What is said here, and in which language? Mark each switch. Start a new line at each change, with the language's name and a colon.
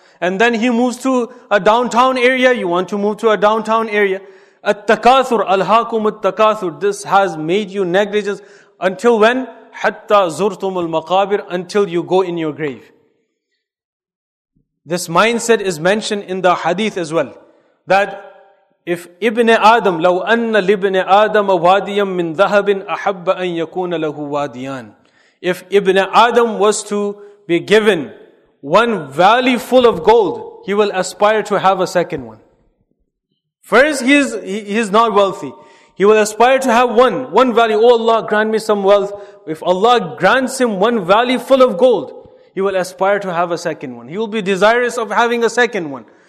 English: And then he moves to a downtown area, you want to move to a downtown area.
Arabic: At-takathur, al-haakum at-takathur,
English: this has made you negligent. Until when?
Arabic: Hatta zurtum al-maqabir,
English: until you go in your grave. This mindset is mentioned in the hadith as well. That if Ibn Adam,
Arabic: لو أن لابن آدم واديا من ذهب أحب أن يكون له واديان.
English: If Ibn Adam was to be given one valley full of gold, he will aspire to have a second one. First, he's not wealthy. He will aspire to have one valley. Oh Allah, grant me some wealth. If Allah grants him one valley full of gold, he will aspire to have a second one. He will be desirous of having a second one.